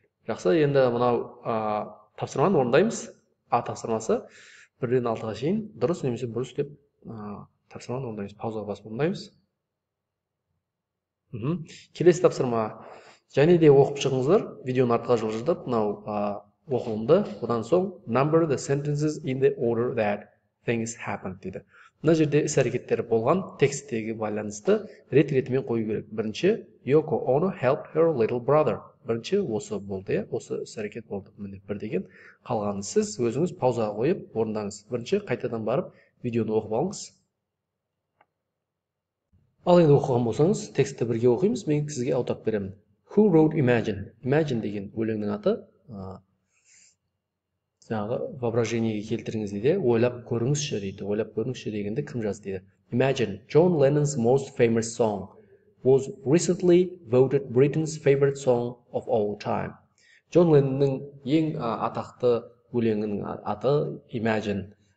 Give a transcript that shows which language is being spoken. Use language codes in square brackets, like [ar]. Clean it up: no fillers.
[kk] Жақсы, енді мына тапсырманы орындаймыз. А тапсырмасы 1-ден 6-ға шейін дұрыс немесе бұрыс деп тапсырманы орындаймыз, паузаға басып орындаймыз. Келесі тапсырма. Және де оқып шығыңыздар, видеоны артқа жылжытып, мынау оқылымды. Одан соң [en] number the sentences in the order that things happened [kk] дейді. Мына жерде іс-әрекеттер болған тексттегі байланысты рет-ретімен қою керек. Бірінші [en] Yoko Ono helped her little brother. [kk] Бірінші осы болды, осы іс-әрекет болды. Міне бір деген. Қалғанын сіз өзіңіз паузаға қойып орындаңыз. Бірінші қайтадан барып видеоны оқып алыңыз. Ал енді оқыған болсаңыз, текстті бірге оқимыз, мен сізге аударып беремін. [en] Who wrote Imagine? [kk] Imagine деген өлеңнің аты. Жаңағы воображениеге келтіріңіз дейді, ойлап көріңізші дейді, ойлап көріңізші дегенді кім жазды дейді. [en] Imagine, John Lennon's most famous song, was recently voted Britain's favorite song of all time. [kk] John Lennon-ның ең атақты өлеңінің аты Imagine.